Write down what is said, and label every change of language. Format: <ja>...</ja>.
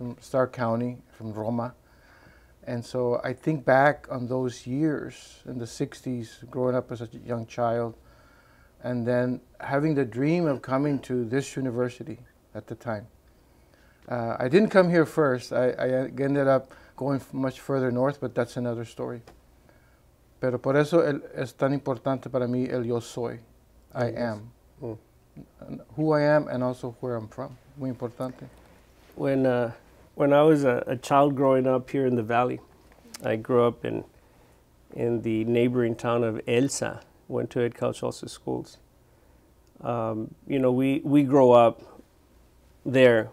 <en>From Starr County, from Roma. And so I think back on those years in the 60s, growing up as a young child, and then having the dream of coming to this university at the time. I didn't come here first. I ended up going much further north, but that's another story.</en> <es>Pero por eso es tan importante para mí el yo soy.</es> <en>I am. Who I am and also where I'm from.</en> <es>Muy importante.</es> <en>When I was a child growing up here in the valley, I grew up in the neighboring town of Elsa, went to Ed Cauchosa schools. You know, we grow up there.</en>